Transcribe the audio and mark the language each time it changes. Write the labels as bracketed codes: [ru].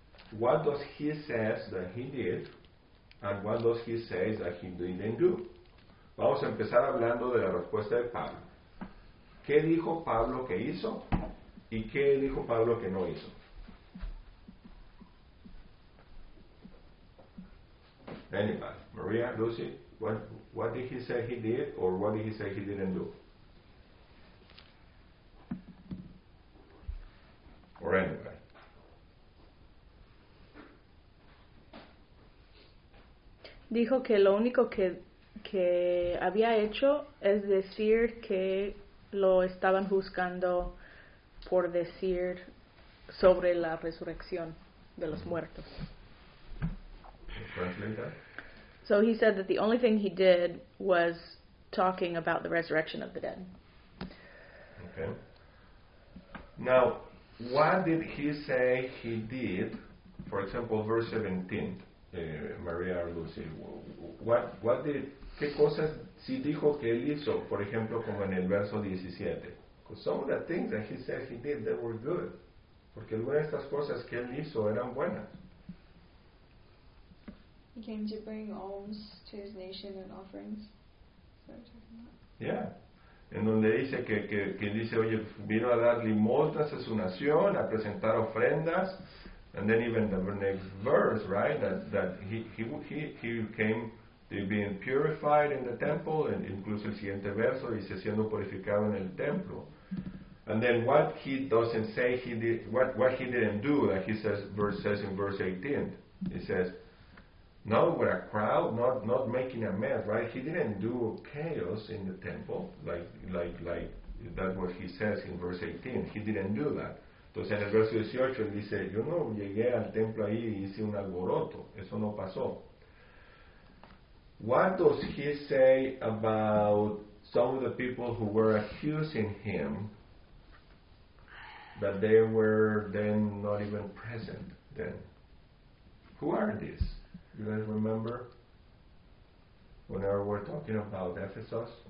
[en] What does he say that he did, and what does he say that he didn't do? [es] Vamos a empezar hablando de la respuesta de Pablo. ¿Qué dijo Pablo que hizo y qué dijo Pablo que no hizo? [en] Anybody? Maria, Lucy, what did he say he did or what did he say he didn't do? Or anybody? [es] Dijo que lo único que había hecho es decir que lo estaban juzgando por decir sobre la resurrección de los muertos. [en] Translate. So he said that the only thing he did was talking about the resurrection of the dead. Okay. Now, what did he say he did? For example, verse 17, Maria or Lucy, what did... [es] ¿Qué cosas sí dijo que él hizo? Por ejemplo, como en el verso 17. [en] Because some of the things that he said he did, they were good. [es] Porque algunas de estas cosas que él hizo eran buenas. [en] He came to bring alms to his nation and offerings. Yeah. [es] En donde dice que dice, oye, vino a dar limosnas a su nación, a presentar ofrendas. [en] And then even the next verse, right, that he came... being purified in the temple, and [es] incluso el siguiente verso dice siendo purificado en el templo. [en] And then what he doesn't say he did, what he didn't do, like he says in verse 18, he says, not with a crowd, not making a mess, right? He didn't do chaos in the temple, like that what he says in verse 18. He didn't do that. [es] Entonces en el verso 18 él dice, yo no llegué al templo ahí y hice un alboroto, eso no pasó. [en] What does he say about some of the people who were accusing him that they were then not even present then? Who are these? You guys remember whenever we're talking about Ephesus?